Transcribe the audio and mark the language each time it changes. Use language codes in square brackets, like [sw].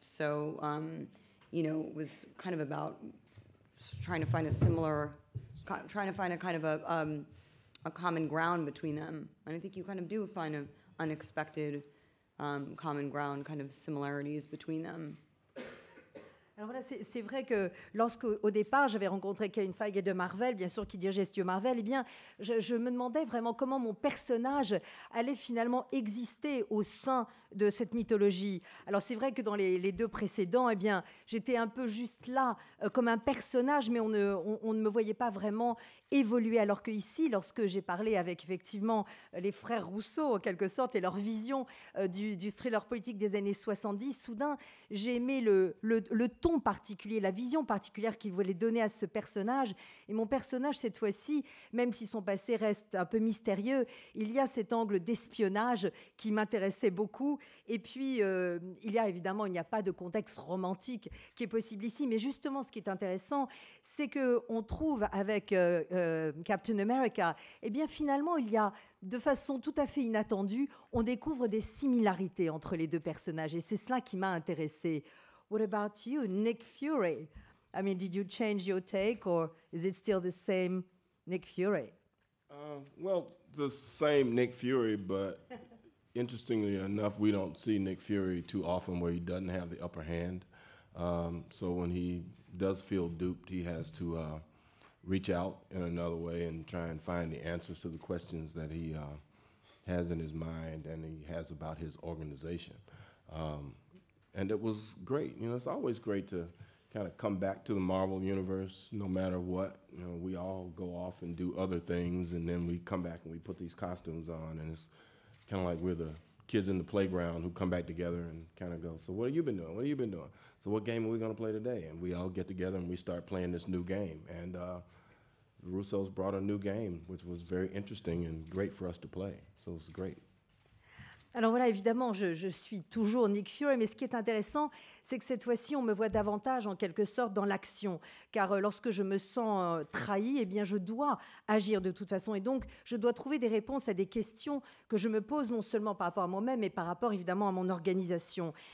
[en] So, you know, it was kind of about trying to find a common ground between them. And I think you kind of do find an unexpected common ground, kind of similarities between them. [fr] Alors voilà, c'est vrai que lorsqu'au départ j'avais rencontré Kevin Feige de Marvel, bien sûr qui dirigeait Studio Marvel, eh bien je me demandais vraiment comment mon personnage allait finalement exister au sein de cette mythologie. Alors c'est vrai que dans les deux précédents, eh bien j'étais un peu juste là comme un personnage, mais on ne me voyait pas vraiment évoluer. Alors que ici, lorsque j'ai parlé avec effectivement les frères Rousseau en quelque sorte et leur vision du thriller politique des années 70, soudain j'ai aimé le ton particulier, la vision particulière qu'il voulait donner à ce personnage. Et mon personnage, cette fois-ci, même si son passé reste un peu mystérieux, il y a cet angle d'espionnage qui m'intéressait beaucoup. Et puis, il n'y a pas de contexte romantique qui est possible ici. Mais justement, ce qui est intéressant, c'est qu'on trouve avec Captain America, eh bien, finalement, il y a, de façon tout à fait inattendue, on découvre des similarités entre les deux personnages. Et c'est cela qui m'a intéressée. [en] What about you, Nick Fury? I mean, did you change your take, or is it still the same Nick Fury? Well, the same Nick Fury, but interestingly enough, we don't see Nick Fury too often where he doesn't have the upper hand. So when he does feel duped, he has to reach out in another way and try and find the answers to the questions that he has in his mind and he has about his organization. And it was great. You know, it's always great to kind of come back to the Marvel Universe no matter what. You know, we all go off and do other things, and then we come back and we put these costumes on, and it's kind of like we're the kids in the playground who come back together and kind of go, so what have you been doing? What have you been doing? So what game are we going to play today? And we all get together and we start playing this new game. And Russo's brought a new game, which was very interesting and great for us to play. So it was great. [fr] Alors voilà, évidemment, je suis toujours Nick Fury, mais ce qui est intéressant, c'est que cette fois-ci, on me voit davantage, en quelque sorte, dans l'action. Car lorsque je me sens trahi, eh bien, je dois agir de toute façon. Et donc, je dois trouver des réponses à des questions que je me pose, non seulement par rapport à moi-même, mais par rapport, évidemment, à mon organisation.